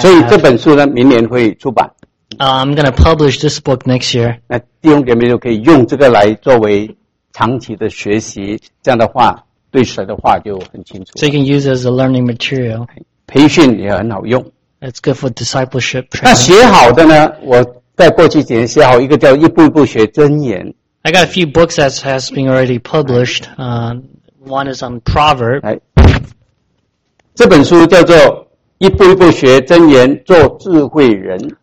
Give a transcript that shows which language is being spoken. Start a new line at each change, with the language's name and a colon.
Chinese: 所以这本书呢，明年会出版。
English: I'm going to publish this book next year.
Chinese: 那弟兄姐妹就可以用这个来作为长期的学习，这样的话对神的话就很清楚。
English: So you can use it as a learning material.
Chinese: 培训也很好用。
English: It's good for discipleship.
Chinese: 那写好的呢，我在过去几年写好一个叫《一步一步学箴言》。
English: I got a few books that has been already published. One is on Proverbs.
Chinese: 这本书叫做《一步一步学箴言，做智慧人》。